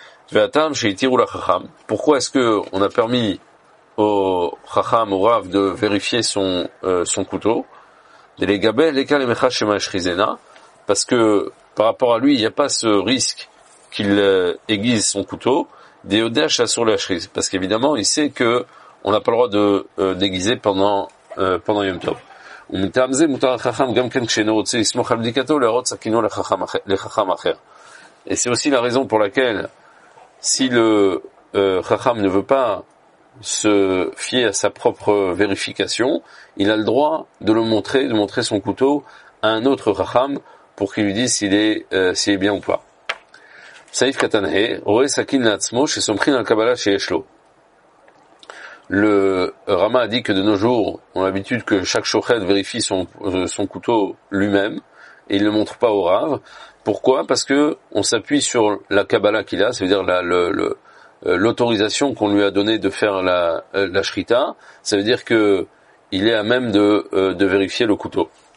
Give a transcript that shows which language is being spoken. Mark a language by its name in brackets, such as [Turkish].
[Hebrew] Ve'atam sheitiru lachacham. [French] Pourquoi est-ce que on a permis au chacham, au rav, de vérifier son couteau? [Hebrew] Delegabel lekal emecha shema shrizena. [French] Parce que par rapport à lui, il n'y a pas ce risque qu'il aiguise son couteau. [Hebrew] Deodesh asur lehashriz. [French] Parce qu'évidemment, il sait que on n'a pas le droit de déguiser pendant Yom Tov. [Hebrew] ומתאמזה מותר החכם גם כן כשאינו רוצה לסמוך על בדיקתו להראות סכינו לחכם אחר. [French] Et c'est aussi la raison pour laquelle si le חכם ne veut pas se fier à sa propre vérification, il a le droit de le montrer, de montrer son couteau à un autre חכם pour qu'il lui dise s'il est bien ou pas. [Hebrew] סעיף קטן ה, רואה סכין לעצמו שסומכין על קבלה שיש לו. [French] Le Rama a dit que de nos jours, on a l'habitude que chaque shochet vérifie son couteau lui-même, et il ne le montre pas au Rav. Pourquoi? Parce que on s'appuie sur la Kabbalah qu'il a, c'est-à-dire l'autorisation qu'on lui a donnée de faire la Shrita, ça veut dire que il est à même de vérifier le couteau.